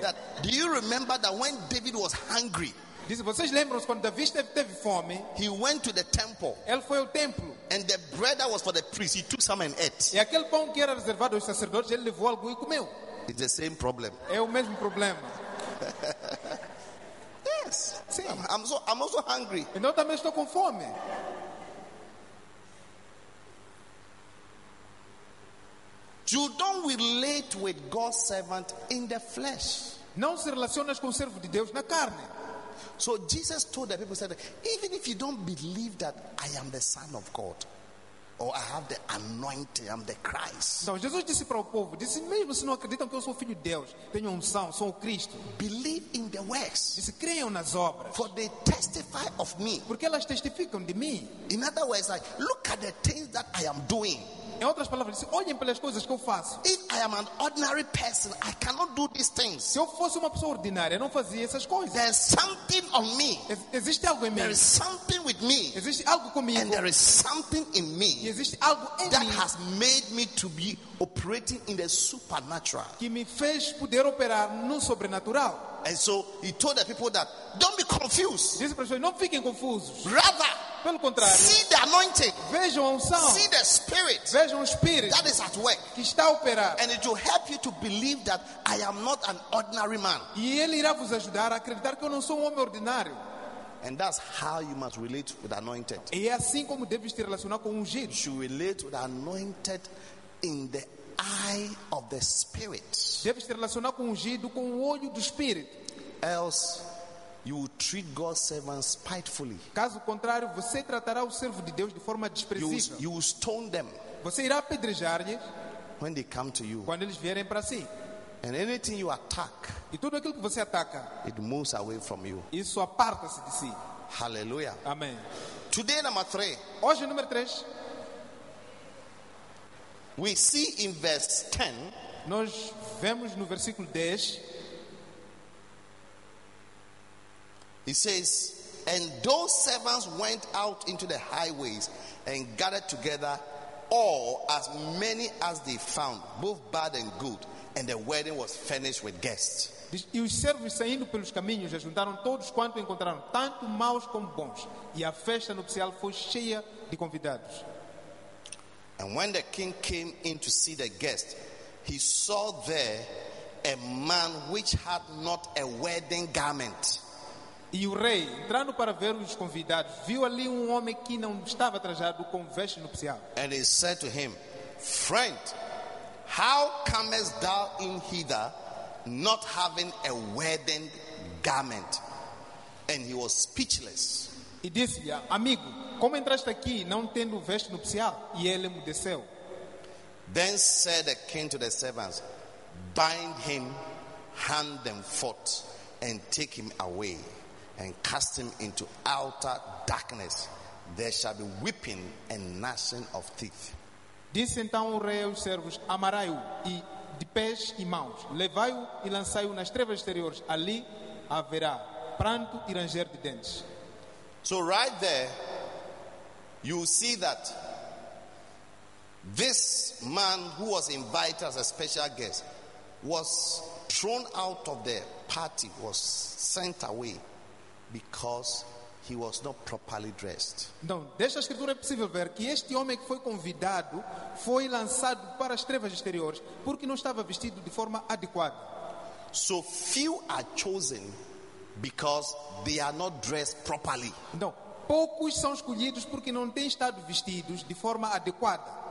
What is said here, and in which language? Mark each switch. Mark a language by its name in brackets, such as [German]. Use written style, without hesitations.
[English] That, do you remember that when David was hungry? [Portuguese] Disse, vocês lembram-se quando Davi teve fome? [English] He went to the temple. [Portuguese] Ele foi ao templo. [English] And the bread that was for the priest, he took some and ate. [Portuguese] E aquele pão que era reservado aos sacerdotes, ele levou algo e comeu. [English] It's the same problem. [Portuguese] É o mesmo problema. [English] Yes. [Portuguese] Sim. [English] I'm also hungry. [Portuguese] Então também estou com fome. [English] You don't relate with God's servant in the flesh. [Portuguese] Não se relacionas com o servo de Deus na carne. [English] So Jesus told the people, said, even if you don't believe that I am the Son of God, or I have the anointing, I'm the Christ. [Portuguese] Então Jesus disse para o povo, disse, mesmo se não acreditam que eu sou filho de Deus, tenho unção, sou o Cristo. [English] Believe in the works. [Portuguese] Disse, creiam nas obras. [English] For they testify of me. [Portuguese] Porque elas testificam de mim. [English] In other words, like, look at the things that I am doing. [Portuguese] Em outras palavras, disse, olhem pelas coisas que eu faço. [English] If I am an ordinary person, I cannot do these things. [Portuguese] Se eu fosse uma pessoa ordinária, eu não fazia essas coisas. [English] There's something on me. [Portuguese] Existe algo em mim. [English] There is something with me. [Portuguese] Existe algo comigo. [English] And there is something in me. [Portuguese] Existe algo em [English] that [Portuguese] mim. [English] That has made me to be operating in the supernatural. [Portuguese] Que me fez poder operar no sobrenatural. [English] And so he told the people that don't be confused. [Portuguese] Disse para eles, não fiquem confusos. [English] Rather, [Portuguese] pelo contrário, [English] see the anointing. [Portuguese] Vejam a unção. [English] See the spirit. [Portuguese] Vejam o espírito. [English] That is at work. [Portuguese] Que está a operar. [English] And it will help you to believe that I am not an ordinary man. [Portuguese] E ele irá vos ajudar a acreditar que eu não sou um homem ordinário. [English] And that's how you must relate with the anointed. [Portuguese] E é assim como deves te relacionar com o ungido. [English] You should relate with the anointed in the eye of the spirit. [Portuguese] Deves te relacionar com o ungido com o olho do espírito. [English] Else you will treat God's servants spitefully. [Portuguese] Caso contrário, você tratará o servo de Deus de forma desprezível. [English] You will stone them. [Portuguese] Você irá apedrejar-lhes [English] when they come to you. [Portuguese] Quando eles vierem para si. [English] And anything you attack, [Portuguese] e tudo aquilo que você ataca, [English] it moves away from you. [Portuguese] Isso aparta-se de si. [English] Hallelujah. [Portuguese] Amém. [English] Today number three. [Portuguese] Hoje número 3. [English] We see in verse 10. [Portuguese] Nós vemos no versículo 10. [English] He says, and those servants went out into the highways and gathered together all as many as they found, both bad and good, and the wedding was finished with guests. [Portuguese] Diz, e os servos saindo pelos caminhos juntaram todos quanto encontraram, tanto maus como bons, e a festa nupcial foi cheia de convidados. [English] And when the king came in to see the guest, he saw there a man which had not a wedding garment. [Portuguese] E o rei, entrando para ver os convidados, viu ali um homem que não estava trajado com veste nupcial. [English] And he said to him, friend, how comest thou in hither not having a wedding garment? And he was speechless. [Portuguese] E disse-lhe, amigo, como entraste aqui não tendo veste nupcial? E ele emudeceu. [English] Then said the king to the servants, bind him hand and foot and take him away and cast him into outer darkness. There shall be weeping and gnashing of teeth. [Portuguese] Disse então o rei aos servos, amarai-o e de pés e mãos, levai-o e lançai-o nas trevas exteriores, ali haverá pranto e ranger de dentes. [English] So right there you see that this man who was invited as a special guest was thrown out of the party, was sent away because he was not properly dressed. [Portuguese] Então, desta escritura é possível ver que este homem que foi convidado foi lançado para as trevas exteriores porque não estava vestido de forma adequada. [English] So few are chosen because they are not dressed properly. [Portuguese] Então, poucos são escolhidos porque não têm estado vestidos de forma adequada.